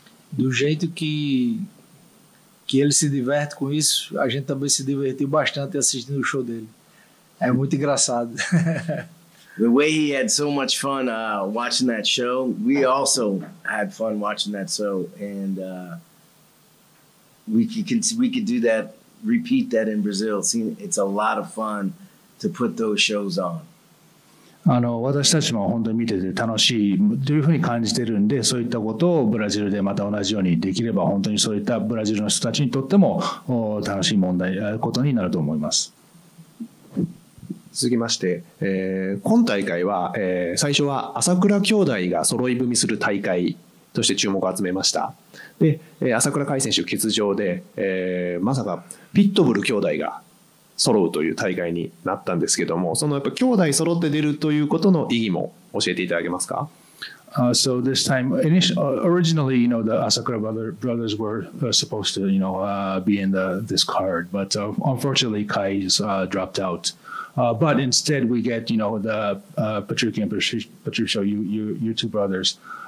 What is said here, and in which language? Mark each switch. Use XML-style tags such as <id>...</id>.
<pt>Do jeito que ele se diverte com isso, a gente também se divertiu bastante assistindo o show dele. É muito engraçado.</pt> <en>The way he had so much fun watching that show, we also had fun watching that show, and we could do that, repeat that in Brazil. See, it's a lot of fun to put those shows on.</en> <ja>私たちも本当に見てて楽しいというふうに感じてるんで、そういったことをブラジルでまた同じようにできれば、本当にそういったブラジルの人たちにとっても楽しい問題ことになると思います。続きまして、今大会は、最初は朝倉兄弟が揃い踏みする大会として注目を集めました。で、朝倉海選手欠場で、まさかピットブル兄弟が揃うという大会になったんですけども、そのやっぱ兄弟揃って出るということの意義も教えていただけますか。</ja> <en>So this time, originally, you know, the Asakura brothers were supposed to, you know, be in this card, but unfortunately, Kai dropped out. But instead, we get, you know, the Patricky and Patricio, you two brothers.</en>